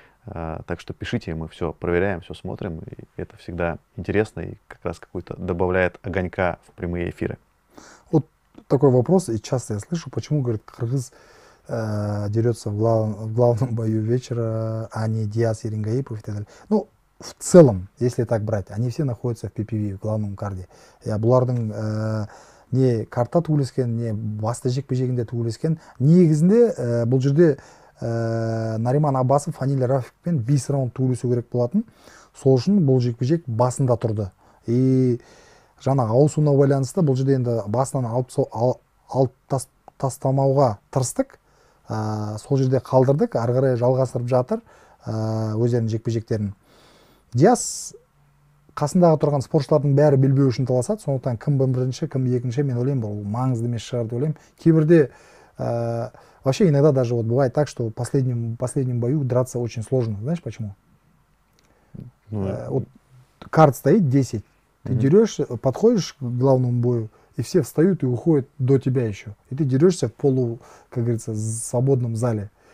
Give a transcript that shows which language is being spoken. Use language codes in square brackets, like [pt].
[ru] Так что пишите, мы все проверяем, все смотрим, и это всегда интересно и как раз какой-то добавляет огонька в прямые эфиры. Вот такой вопрос, и часто я слышу, почему, говорит, Кыргыз дерется в главном бою вечера, а не Диас и Рингаипов и так далее. Ну, в целом, если так брать, они все находятся в PPV, в главном карде. [kk] Я бұлардың не карта туылескен, не басты жекпе-жегінде туылескен, негізінде бұл жерде Нариман Аббасов, Фаниль Рафикпен 5 раунд туылысу керек болатын. Сол үшін бұл жекпе-жек басында тұрды. И жаңа ауысуына байланысты бұл жерде енді басынан алып тастамауға тырыстық. Сол жерде қалдырдық, ары қарай жалғастырып жатыр өздерінің жекпе-жектерін. Диас қасындағы тұрған спортшылардың бәрі білбеу үшін таласады. Сондықтан кім бірінші, кім екінші, мен ойлаймын, бұл маңызды емес шығар деп ойлаймын. [ru] Кейбірде вообще иногда даже вот бывает так, что в последнем бою драться очень сложно. Знаешь почему? Ну, вот карт стоит 10, ты дерешься, подходишь к главному бою, и все встают и уходят до тебя еще. И ты дерешься в полу, как говорится, свободном зале.